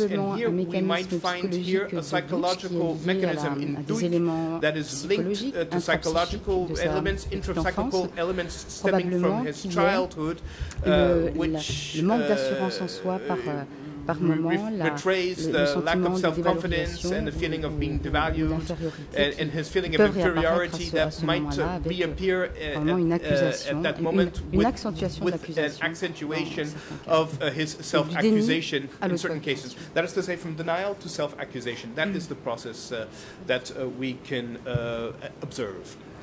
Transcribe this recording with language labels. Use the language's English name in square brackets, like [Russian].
[English] And here we might find here a psychological mechanism in doing that is linked to psychological elements, intrapsychical elements stemming from his childhood, which. [French] Le manque d'assurance en soi par moment, le sentiment de dévaluation [English] and the feeling of being devalued, and his feeling of inferiority that might reappear at that moment with an accentuation of his self-accusation in certain cases. That is to say, from denial to self-accusation. That is the process that we can observe.